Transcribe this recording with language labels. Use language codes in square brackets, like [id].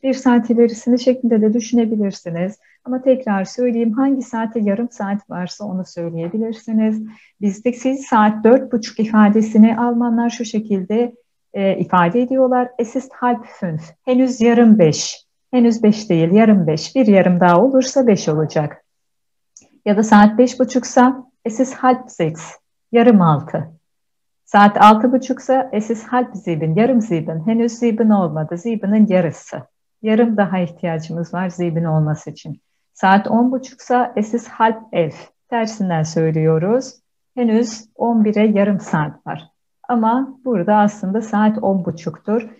[tr] Bir saat ilerisini şeklinde de düşünebilirsiniz. Ama tekrar söyleyeyim, hangi saate yarım saat varsa onu söyleyebilirsiniz. Bizde siz saat 4.30 ifadesini Almanlar şu şekilde ifade ediyorlar. [de] Es ist halb fünf. [tr] Henüz yarım 5. Henüz 5 değil, yarım 5. Bir yarım daha olursa 5 olacak. Ya da saat 5.30'sa [de] es ist halb sechs, [tr] yarım altı. Saat 6.30'sa [de] es ist halb sieben, [tr] yarım sieben. Henüz sieben olmadı, siebenin yarısı. Yarım daha ihtiyacımız var sieben olması için. Saat 10.30'sa [de] es ist halb elf. [tr] Tersinden söylüyoruz. Henüz 11'e yarım saat var. Ama burada aslında saat 10.30'tur.